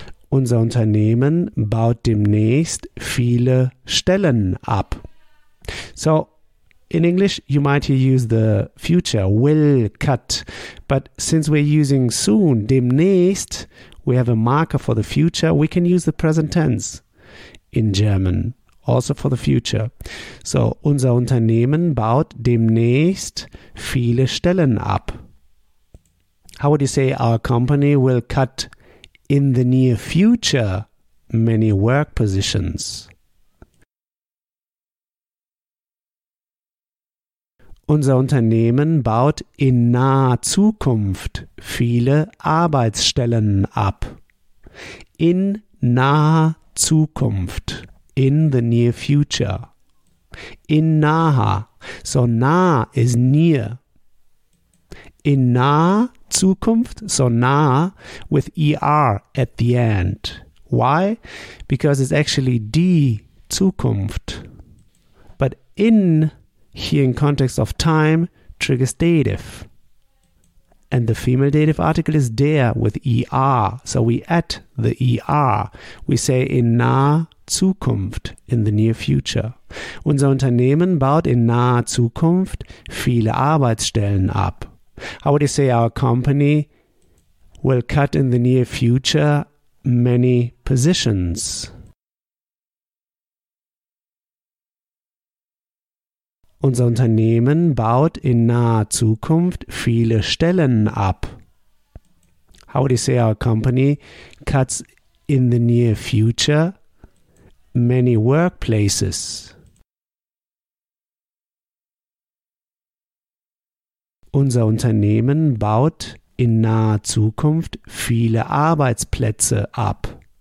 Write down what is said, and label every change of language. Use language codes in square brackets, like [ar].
[de] Unser Unternehmen baut demnächst viele Stellen ab. [en] So, in English, you might here use the future, will cut. But since we're using soon, demnächst, We have a marker for the future. We can use the present tense in German, also for the future. [de] So, unser Unternehmen baut demnächst viele Stellen ab. [en] How would you say our company will cut in the near future many work positions? [de] Unser Unternehmen baut in naher Zukunft viele Arbeitsstellen ab. In naher Zukunft. [en] In the near future. [de] In naher. So nah is near. In naher Zukunft. [en] So nah with ER at the end. Why? Because it's actually die Zukunft. But in here in context of time, triggers dative. And the female dative article is der with ER. So we add the ER. We say [de] in naher Zukunft, [en] in the near future. [de] Unser Unternehmen baut in naher Zukunft viele Arbeitsstellen ab. [en] How would you say our company will cut in the near future many positions? [de] Unser Unternehmen baut in naher Zukunft viele Stellen ab. [en] How would you say our company cuts in the near future many workplaces? [de] Unser Unternehmen baut in naher Zukunft viele Arbeitsplätze ab.